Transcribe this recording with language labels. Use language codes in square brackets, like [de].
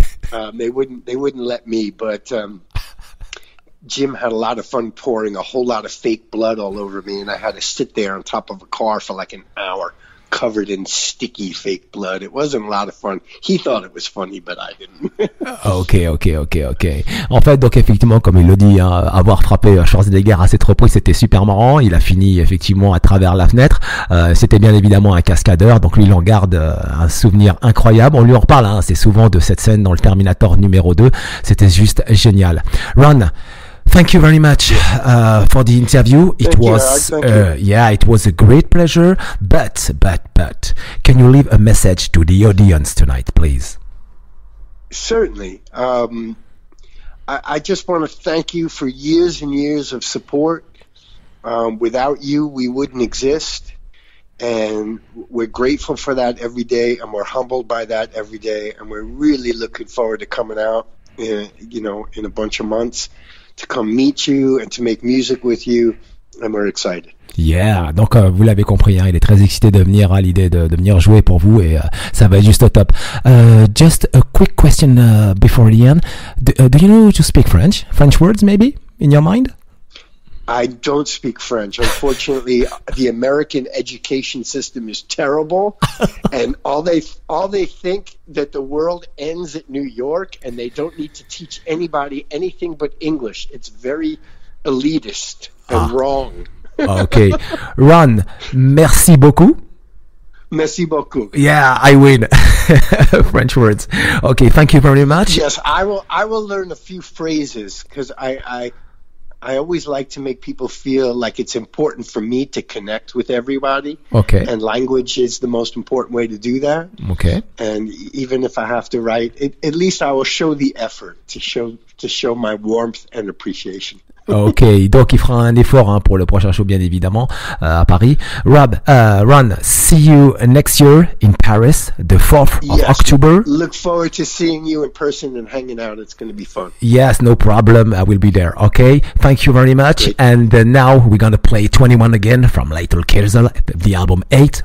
[en] They wouldn't let me, but Jim had a lot of fun pouring a whole lot of fake blood all over me, and I had to sit there on top of a car for like an hour, covered in sticky fake blood. It wasn't a lot of fun. He thought it was funny, but I didn't. Ok. [fr] En fait, donc effectivement, comme il le dit, hein, avoir frappé Schwarzenegger à cette reprise, c'était super marrant. Il a fini effectivement à travers la fenêtre. C'était bien évidemment un cascadeur, donc lui, il en garde un souvenir incroyable. On lui en reparle, hein, c'est souvent de cette scène dans le Terminator numéro 2. C'était juste génial. [en] Ron, thank you very much for the interview. It was a great pleasure. But, can you leave a message to the audience tonight, please? Certainly. I just want to thank you for years and years of support. Without you, we wouldn't exist. And we're grateful for that every day, and we're humbled by that every day. And we're really looking forward to coming out, in a bunch of months, to come meet you and to make music with you, and we're excited. [fr] Yeah, donc vous l'avez compris, hein, il est très excité de venir à l'idée de venir jouer pour vous, et ça va être juste au top. [en] Just a quick question before the end. Do you know to speak French? French words maybe in your mind? I don't speak French. Unfortunately, the American education system is terrible, and all they think that the world ends at New York, and they don't need to teach anybody anything but English. It's very elitist and wrong. [fr] Okay. Ron, merci beaucoup. Merci beaucoup. [en] Yeah, I win. French words. Okay, thank you very much. Yes, I will learn a few phrases, because I always like to make people feel like it's important for me to connect with everybody. Okay. And language is the most important way to do that. Okay. And even if I have to write, at least I will show the effort to show my warmth and appreciation. [fr] Ok, donc il fera un effort hein, pour le prochain show, bien évidemment, à Paris. [en] Rob, Ron, see you next year in Paris, the 4th of yes, October. Look forward to seeing you in person and hanging out. It's going to be fun. Yes, no problem. I will be there. Ok, thank you very much. Great. And now we're going to play 21 again from Little Kirzel, the album 8.